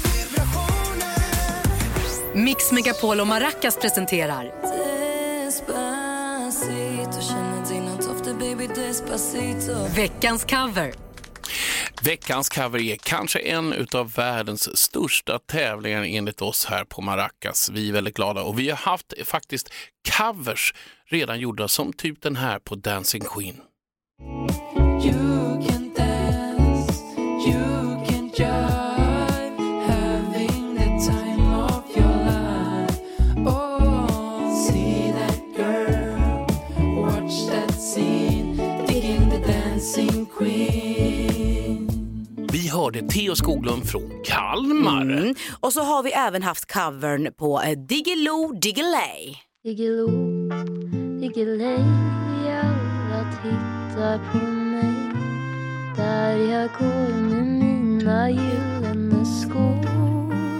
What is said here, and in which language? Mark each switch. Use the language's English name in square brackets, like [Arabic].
[Swedish] vibrationer. Mix Megapol och Maracas presenterar Despacito, känner dina tofter baby Despacito. Veckans cover. Veckans cover är kanske en av världens största tävlingar enligt oss här på Maracas. Vi är väldigt glada och vi har haft faktiskt covers redan gjorda som typ den här på Dancing Queen. [English] You can dance, you can jive, having the time of your life. Oh, see that girl, watch that scene, digging the Dancing Queen. [Swedish] Hörde Theo Skoglund från Kalmar. Mm. Och så har vi även haft covern på Diggiloo Diggiley. Diggiloo Diggiley, alla tittar på mig där jag går med mina gyllene skor.